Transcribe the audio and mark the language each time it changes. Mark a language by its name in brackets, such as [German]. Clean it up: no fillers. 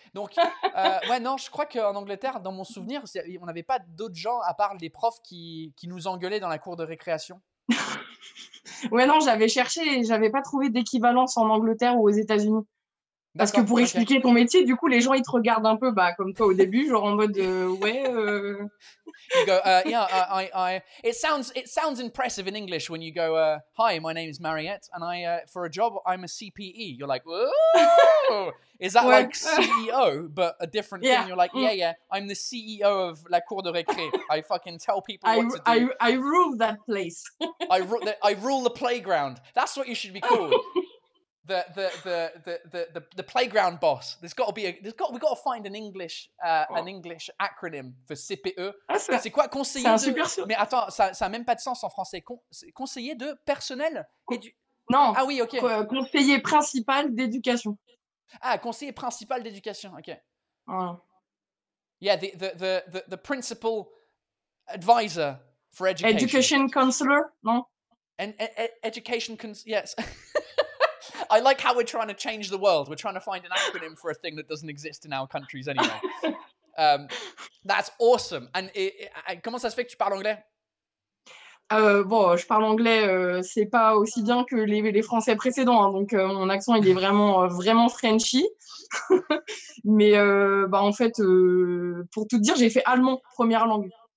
[French] Donc ouais, non, je crois qu'en Angleterre, dans mon souvenir, on n'avait pas d'autres gens à part les profs qui nous engueulaient dans la cour de récréation. Ouais, non, j'avais cherché et j'avais pas trouvé d'équivalence en Angleterre ou aux États-Unis. Parce que pour expliquer ton métier, du coup, les gens, ils te regardent un peu, bah, comme toi au début, genre en mode, ouais. [English] You go, yeah, it sounds impressive in English when you go, hi, my name is Mariette, and I, for a job, I'm a CPE. You're like, ooh, is that like CEO, but a different thing? You're like, yeah, yeah, I'm the CEO of La Cour de Récré. I fucking tell people what to do. I rule that place. I rule the playground. That's what you should be called. The playground boss. We've got to find an English an English acronym for CPE. Ah, [French] c'est quoi conseiller de... Mais attends, ça a même pas de sens en français. Conseiller de personnel Non. Ah oui, ok. Conseiller principal d'éducation. Ah, conseiller principal d'éducation. Ok. Voilà. [English] Yeah, the principal advisor for education. Education counselor, non? Education, yes. I like how we're trying to change the world. We're trying to find an acronym for a thing that doesn't exist in our countries anyway. That's awesome. [French] And comment ça se fait que tu parles anglais? Bon, je parle anglais. C'est pas aussi bien que les Français précédents. Hein, donc, mon accent, il est vraiment, vraiment Frenchy. Mais bah, en fait, pour tout dire, j'ai fait allemand, première langue.